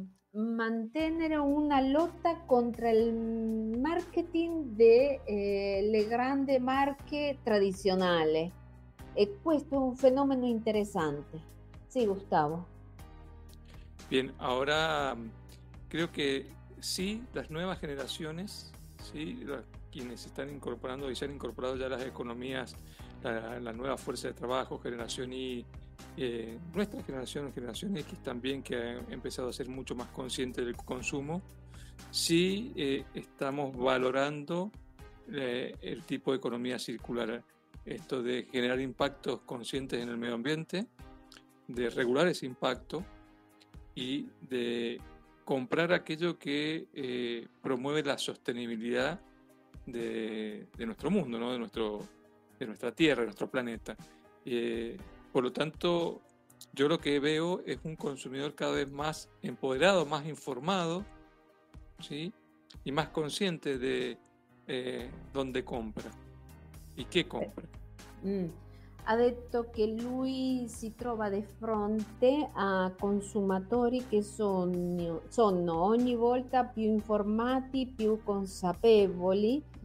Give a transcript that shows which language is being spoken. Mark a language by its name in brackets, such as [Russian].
[Italian] mantenere una lotta contro il marketing delle grandi marche tradizionali, e questo è un fenomeno interessante. [Spanish] Sì, Gustavo. Bien, ahora creo que sí, las nuevas generaciones, sí, quienes están incorporando y se han incorporado ya las economías, la nueva fuerza de trabajo, generación Y, nuestra generación, generación X también, que ha empezado a ser mucho más consciente del consumo, sí estamos valorando el tipo de economía circular, esto de generar impactos conscientes en el medio ambiente, de regular ese impacto y de comprar aquello que promueve la sostenibilidad de nuestro mundo, ¿no? De nuestra tierra, de nuestro planeta. Por lo tanto, yo lo que veo es un consumidor cada vez más empoderado, más informado, ¿sí? Y más consciente de dónde compra y qué compra. [Italian] Ha detto che lui si trova di fronte a consumatori che sono ogni volta più informati, più consapevoli